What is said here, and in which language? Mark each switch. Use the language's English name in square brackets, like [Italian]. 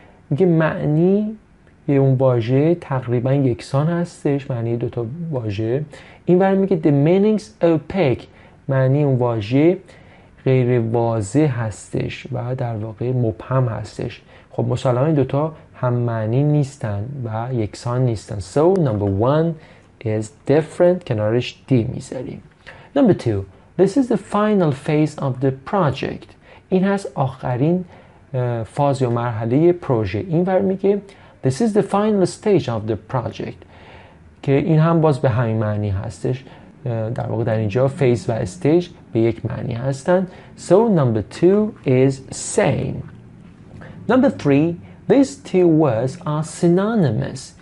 [Persian] میگه معنی یه اون واژه تقریبا یکسان هستش، معنی دوتا واژه. این بر میگه [English] the meanings opaque، [Persian] معنی اون واژه غیر واضح هستش و در واقع مبهم هستش. خب مسلمان این دوتا هم معنی نیستن و یکسان نیستن. [English] So number one is different، [Persian] کنارش دی میذاریم. [English] Number two, this is the final phase of the project. [Persian] این هست آخرین فاز یا مرحله پروژه. این بر میگه [English] this is the final stage of the project، [Persian] که این هم باز به همین معنی هستش. در واقع در اینجا فیز و استیج به یک معنی هستن. [English] So number two is same. Number three, these two words are synonymous.